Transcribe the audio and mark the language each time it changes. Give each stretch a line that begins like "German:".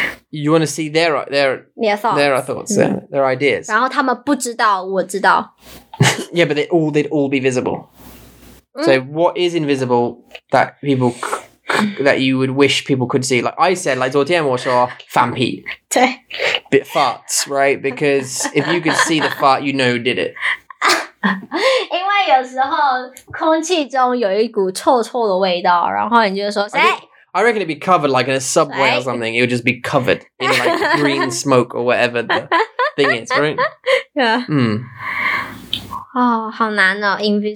English: You want to see their thoughts, their ideas.
Chinese: 然后他们不知道我知道。
English: Yeah, but they'd all be visible. So what is invisible that people, that you would wish people could see? Like I said, like
Chinese: 昨天我说
English: fan pee. Bit farts, right? Because if you could see the fart, you know who did it.
Chinese: 因为有时候空气中有一股臭臭的味道，然后你就说谁？
English: I reckon it'd be covered like in a subway or something. It would just be covered in like green smoke or whatever the thing is, right?
Chinese: Yeah. 哦，好难哦 ，invisible.